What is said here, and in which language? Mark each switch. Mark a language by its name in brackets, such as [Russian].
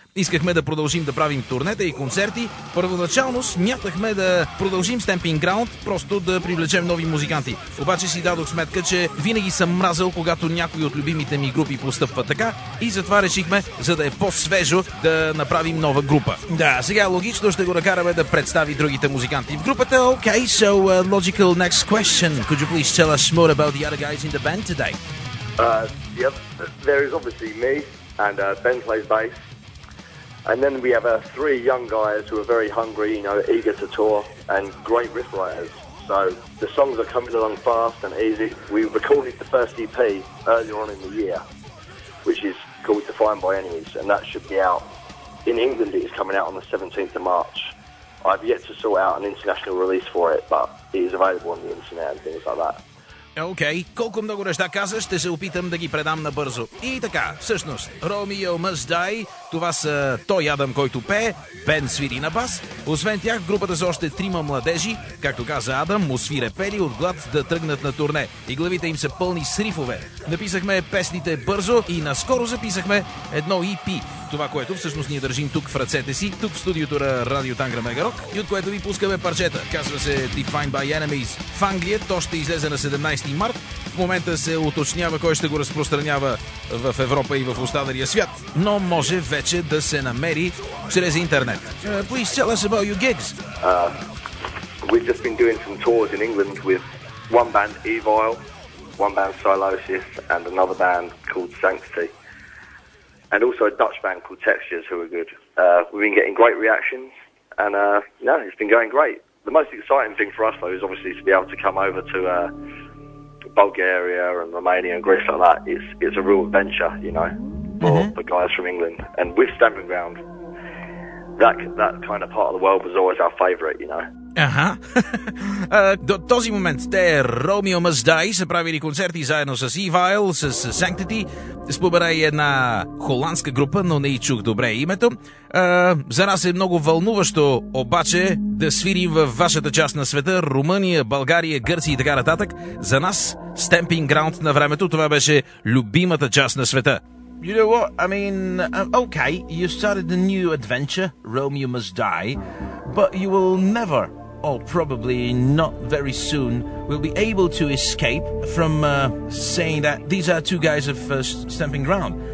[Bulgarian] Искахме да продължим да правим турнета и концерти. Първоначално смятахме да продължим Stamping Ground, просто да привлечем нови музиканти. Обаче си дадох сметка, че винаги съм мразил, когато някои от любимите ми групи постъпват така, и затова решихме, за да е по-свежо, да направим нова група. Да, сега логично ще го накараме да представи другите музиканти в групата. [English] Okay, so logical next question. Could you please tell us more about the other guys in the band today? Yep, there is obviously me, and Ben plays bass. And then we have three young guys who are very hungry, you know, eager to tour, and great riff writers. So the songs are coming along fast and easy. We recorded the first EP earlier on in the year, which is called Defined by Enemies, and that should be out. In England, it is coming out on the 17th of March. I've yet to sort out an international release for it, but it is available on the internet and things like that. [Bulgarian] Окей, колко много неща казаш, ще се опитам да ги предам набързо. И така, всъщност, Romeo Must Die, това са той Адам, който пее, Бен свири на бас. Освен тях, в групата са още трима младежи, както каза Адам, му свире пели от глад да тръгнат на турне. И главите им са пълни с рифове. Написахме песните бързо и наскоро записахме едно EP. Това, което всъщност ние държим тук в ръцете си, тук в студиото на Радио Тангра Мегарок, и от което ви пускаме парчета. Казва се Defined by Enemies. В Англия то ще излезе на 17 март. В момента се уточнява кой ще го разпространява в Европа и в останалия свят. Но може вече да се намери чрез интернет. [English] Please tell us about your gigs. We've just been doing some tours in England with one band, Evil, one band, Silosis, and another band called Sanctity. And also a Dutch band called Textures, who are good. We've been getting great reactions, and it's been going great. The most exciting thing for us, though, is obviously to be able to come over to Bulgaria and Romania and Greece like that. It's a real adventure, you know, for the guys from England. And with Stamping Ground, that kind of part of the world was always our favourite, you know. Аха. [Bulgarian] До този момент те, Romeo Must Die, са правили концерти заедно с Evil, с Sanctity. Спомена и една холандска група, но не и чух добре името. За нас е много вълнуващо, обаче, да свирим във вашата част на света, Румъния, България, Гърция и така нататък. За нас, Stamping Ground на времето, това беше любимата част на света. [English] You know what? I mean, okay, you started a new adventure, Romeo Must Die, but you will never, or probably not very soon, will be able to escape from saying that these are two guys of Stamping Ground.